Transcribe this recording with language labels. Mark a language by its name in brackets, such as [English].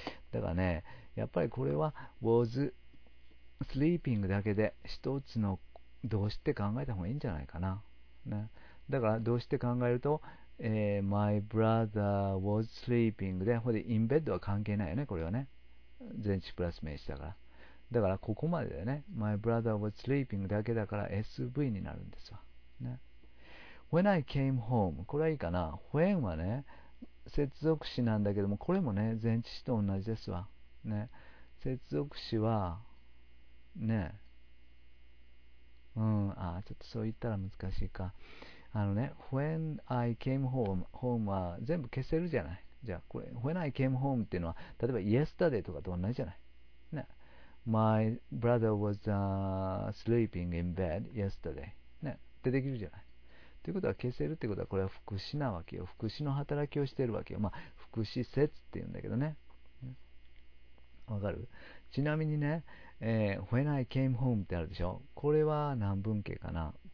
[Japanese] だからね、やっぱりこれは [English] was sleeping [Japanese] だけで一つの動詞って考えた方がいいんじゃないかな、ね、だから動詞って考えると、 [English] my brother was sleeping [Japanese] で、ほんで [English] in bed [Japanese] は関係ないよね、これはね、前置プラス名詞だから、だからここまでだよね、 my brother was sleeping だけだから SV になるんですわね。 [English] When I came home、 [Japanese] これはいいかな。 When はね、接続詞なんだけども、これもね、前置詞と同じですわ。ね、接続詞は、ね、ちょっとそう言ったら難しいか。あのね、 [English] When I came home、 [Japanese] home は全部消せるじゃない。じゃあ、これ、 [English] When I came home [Japanese] っていうのは、例えば [English] yesterday [Japanese] とかと同じじゃない。 [English] ね、My brother was sleeping in bed yesterday。 [Japanese] ね、ってできるじゃない。ということは消せるということは、これは副詞なわけよ。副詞の働きをしているわけよ。まあ、副詞説っていうんだけどね。わかる？ちなみにね、 [English] When I came home [Japanese] ってあるでしょ？これは何文型かな？